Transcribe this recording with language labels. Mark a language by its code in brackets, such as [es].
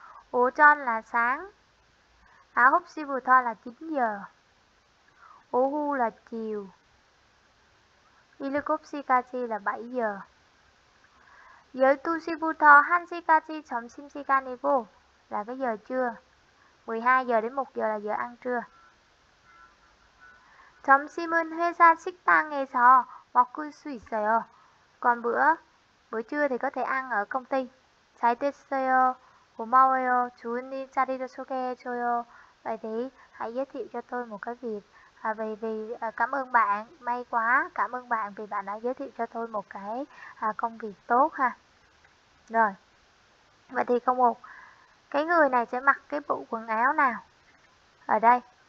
[vi] 오전 là sáng, 9시부터 là 9 giờ, 오후 là chiều, 7시까지 là 7 giờ, [ko] 12시부터 1시까지 점심시간이고 [vi] là cái giờ trưa, 12 giờ đến 1 giờ là giờ ăn trưa. [ko] 점심은 회사 식당에서 먹을 수 있어요. [vi] Còn bữa trưa thì có thể ăn ở công ty. [ko] 잘 됐어요. 고마워요. 좋은 일자리를 소개해줘요. [vi] Vậy thì hãy giới thiệu cho tôi một cái việc. À, vì cảm ơn bạn, may quá, cảm ơn bạn vì bạn đã giới thiệu cho tôi một cái công việc tốt ha. Rồi, vậy thì không một, cái người này sẽ mặc cái bộ quần áo nào ở đây?